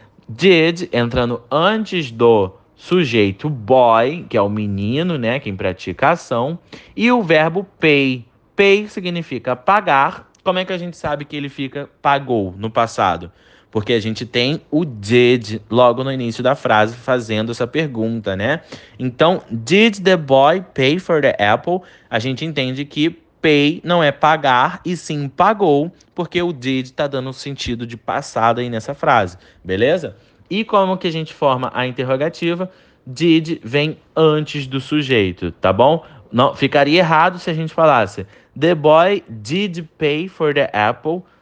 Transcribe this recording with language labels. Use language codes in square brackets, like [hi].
[pt] Did entrando antes do sujeito boy, que é o menino, né, quem pratica a ação, e o verbo pay. Pay significa pagar. Como é que a gente sabe que ele fica pagou no passado? Porque a gente tem o did logo no início da frase fazendo essa pergunta, né? [en] Então, did the boy pay for the apple? [pt] A gente entende que pay não é pagar e sim pagou, porque o did está dando um sentido de passado aí nessa frase, beleza? E como que a gente forma a interrogativa? Did vem antes do sujeito, tá bom? Não, ficaria errado se a gente falasse [en] the boy did pay for the apple.